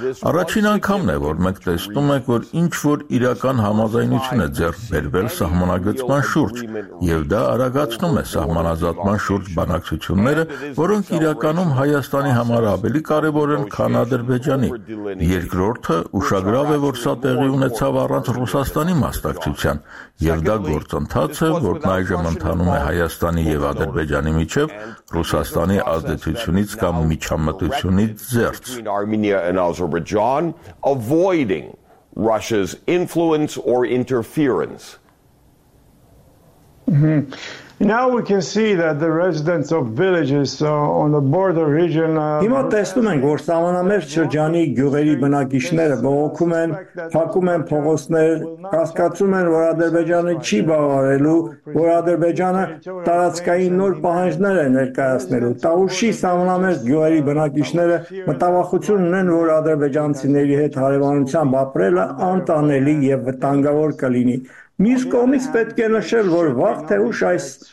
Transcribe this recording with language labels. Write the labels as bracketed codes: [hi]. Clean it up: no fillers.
[hy] Առաջին անգամն է, որ մենք տեսնում ենք, որ ինչ-որ իրական համաձայնություն է ձեռք բերվել սահմանագծման շուրջ, և դա արագացնում է սահմանազատման շուրջ բանակցությունները, որոնք իրականում Հայաստանի համար ավելի կարևոր են, քան Ադրբեջանի։ Երկրորդը, ուշագրավ է, որ սա տեղի ունեցավ առանց Ռուսաստանի մասնակցության, և դա գործընթաց է, որն այժմ ընթանում է Հայաստանի և Ադրբեջանի միջև Ռուսաստանի ազդեցությունից կամ միջամտությունից [en] between Armenia and Azerbaijan, avoiding Russia's influence or interference. Mm-hmm. Now we can see that the residents of villages on the border region [hy] Հիմա տեսնում ենք, որ սահմանամերձ շրջանի գյուղերի բնակիչները բողոքում են, փակում են փողոցներ, հասկացում են, որ Ադրբեջանը չի բավարարելու, որ Ադրբեջանը տարածքային նոր պահանջներ է ներկայացնելու։ Տաուշի սահմանամերձ գյուղերի բնակիչները մտավախություն ունեն, որ ադրբեջանցիների հետ հարևանությամբ ապրելը անտանելի և վտանգավոր կլինի։ Միս կողմից պետք է նշել, որ վաղ թե ուշ այս